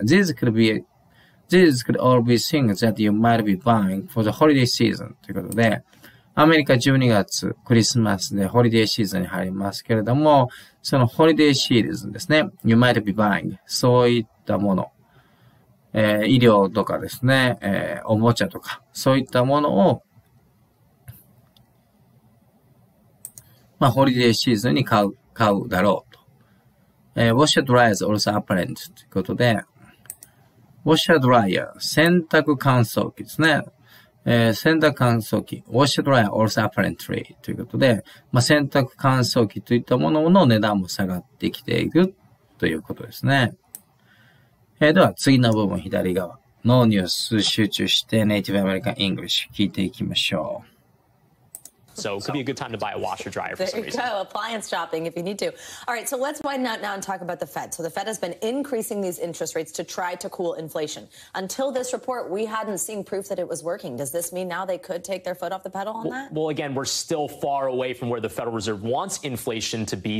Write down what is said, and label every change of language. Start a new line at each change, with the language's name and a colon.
English: These could all be things that you might be buying for the holiday season.
Japanese: ということで、アメリカ12月、クリスマスでホリデーシーズンに入りますけれども、そのホリデーシーズンですね。
English: you might be buying.
Japanese: そういったもの、医療とかですね、おもちゃとかそういったものを、まあ、ホリデーシーズンに買うだろうと、ウォッシャードライヤーズオルサーアパレントということで、ウォッシャードライヤー洗濯乾燥機ですね、洗濯乾燥機ウォッシャードライヤーオルサーアパレントリーということで、まあ、洗濯乾燥機といったものの値段も下がってきていくということですね。では次の部分左側のニュース集中してネイティブアメリカン英語聞いていきましょう。
English: So it could be a good time to buy a washer dryer for some reason. There you go, appliance shopping if you need to. All right, so let's widen out now and talk about the Fed. So the Fed has been increasing these interest rates to try to cool inflation. Until this report, we hadn't seen proof that it was working. Does this mean now they could take their foot off the pedal on that? Well, again, we're still far away from where the Federal Reserve wants inflation to be.